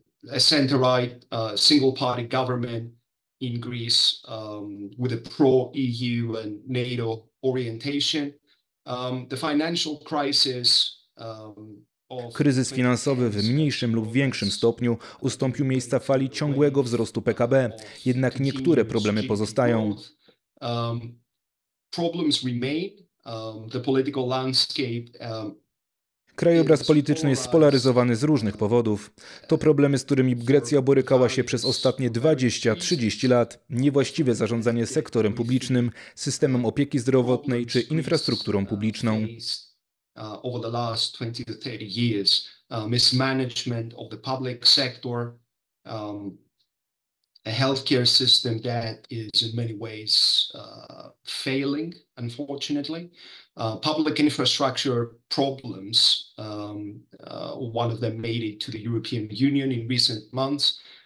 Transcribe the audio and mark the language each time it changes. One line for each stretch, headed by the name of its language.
English: A center-right single-party government in Greece with a pro-EU and NATO orientation. The financial crisis.
Polish: Kryzys finansowy w mniejszym lub większym stopniu ustąpił miejsca fali ciągłego wzrostu PKB. Jednak niektóre problemy pozostają.
English: Problems remain. The political landscape.
Polish: Krajobraz polityczny jest spolaryzowany z różnych powodów. To problemy, z którymi Grecja borykała się przez ostatnie 20-30 lat. Niewłaściwe zarządzanie sektorem publicznym, systemem opieki zdrowotnej czy infrastrukturą publiczną.
English: Over the last 20-30 years, mismanagement of the public sector, a healthcare system that is in many ways failing, unfortunately. Public infrastructure problems, one of them made it to the European Union in recent months.